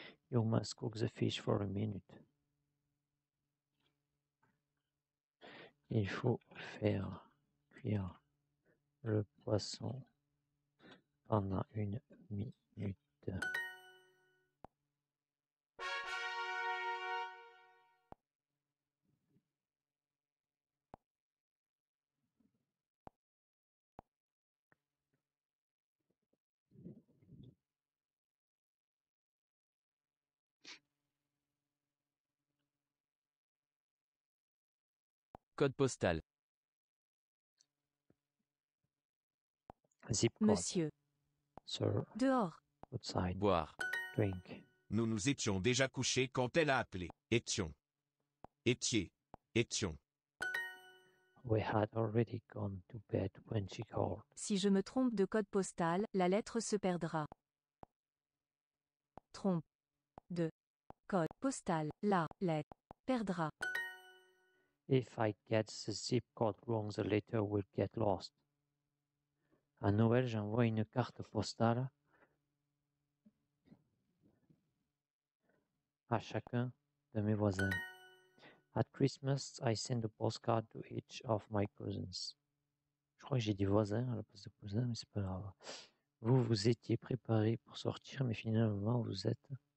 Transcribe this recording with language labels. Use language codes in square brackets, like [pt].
[en] You must cook the fish for a minute. [fr] Il faut faire cuire le poisson pendant une minute. Code postal. [en] Zip code. [fr] Monsieur. [en] Sir. [fr] Dehors. [en] Outside. [fr] Boire. [en] Drink. [fr] Nous nous étions déjà couchés quand elle a appelé. Étions. Étiez. Étions. [en] We had already gone to bed when she called. [fr] Si je me trompe de code postal, la lettre se perdra. Trompe de code postal, la lettre perdra. [en] If I get the zip code wrong, the letter will get lost. [fr] À Noël, j'envoie une carte postale à chacun de mes voisins. [en] At Christmas, I send a postcard to each of my cousins. [fr] Je crois que j'ai des voisins à la place de cousins, mais c'est pas grave. Vous vous étiez préparé pour sortir, mais finalement vous êtes.